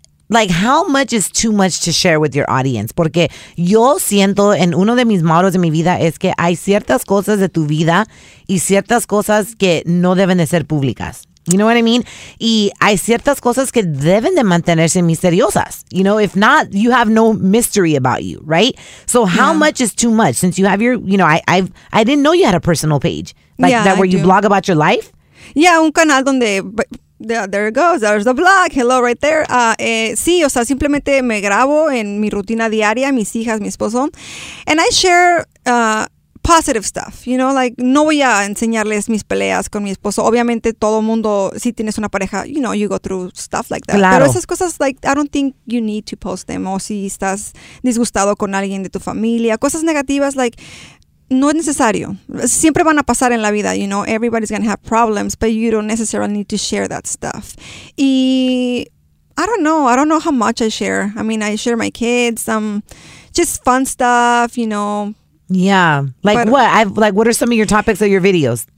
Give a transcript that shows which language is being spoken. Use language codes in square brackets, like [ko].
[en] Like, how much is too much to share with your audience? [es] Porque yo siento, en uno de mis mottos de mi vida, es que hay ciertas cosas de tu vida y ciertas cosas que no deben de ser públicas. [en] You know what I mean? [es] Y hay ciertas cosas que deben de mantenerse misteriosas. [en] You know, if not, you have no mystery about you, right? So how much is too much? Since you have your, you know, I didn't know you had a personal page. Like, yeah, that where I you do. Blog about your life? Yeah, [es] un canal donde, [en] there it goes, there's the blog, hello right there. [es] Sí, o sea, simplemente me grabo en mi rutina diaria, mis hijas, mi esposo. [en] And I share... positive stuff, you know, like, [es] no voy a enseñarles mis peleas con mi esposo. Obviamente, todo mundo, si tienes una pareja, you know, [en] you go through stuff like that. [es] Claro. Pero esas cosas, [en] like, I don't think you need to post them. [es] O si estás disgustado con alguien de tu familia. Cosas negativas, like, no es necesario. Siempre van a pasar en la vida, you know. [en] Everybody's going to have problems, but you don't necessarily need to share that stuff. Y I don't know how much I share. I mean, I share my kids, just fun stuff, you know. Yeah. Like, but, what are some of your topics of your videos?